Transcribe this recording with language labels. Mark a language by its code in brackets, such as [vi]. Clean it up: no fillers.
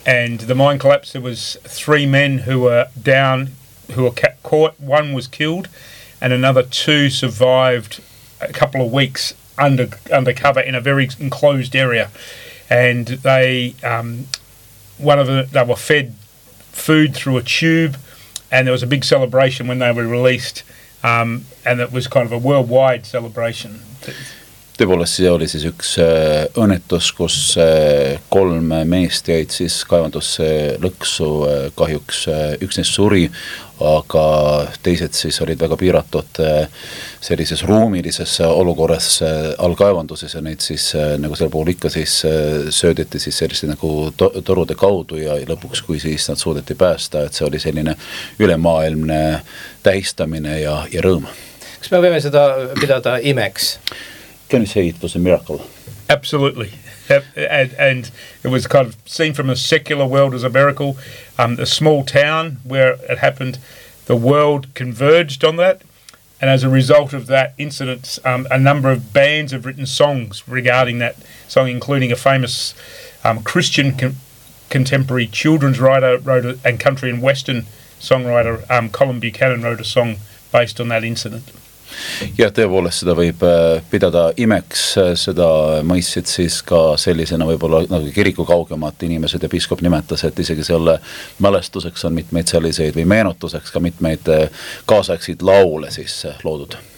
[en] And the mine collapse, there was three men who were down, who were caught, one was killed, and another two survived a couple of weeks undercover in a very enclosed area. And they, one of them, they were fed food through a tube, and there was a big celebration when they were released. And it was kind of a worldwide celebration. [et] Tõepoolest, see oli siis üks õnnetus, kus kolm meest jäid siis kaevandusse lõksu, kahjuks üks neist suri, aga teised siis olid väga piiratud sellises ruumilises olukorras alkaevanduses ja neid siis nagu seal puhul ikka siis söödeti siis sellise nagu torude kaudu ja lõpuks kui siis nad suudeti päästa, et see oli selline ülemaailmne tähistamine ja rõõm. Kas me võime seda pidada imeks? [en] Can you say it was a miracle? Absolutely. And it was kind of seen from a secular world as a miracle. A small town where it happened, the world converged on that. And as a result of that incident, a number of bands have written songs regarding that song, including a famous Christian contemporary children's writer wrote and country and western songwriter Colin Buchanan wrote a song based on that incident. [et] Ja tõepoolest seda võib pidada imeks, seda mõissid siis ka sellisena võibolla nagu kiriku kaugemat inimesed ja piiskop nimetas, et isegi selle mälestuseks on mitmeid selliseid või meenutuseks ka mitmeid kaasaksid laule siis loodud.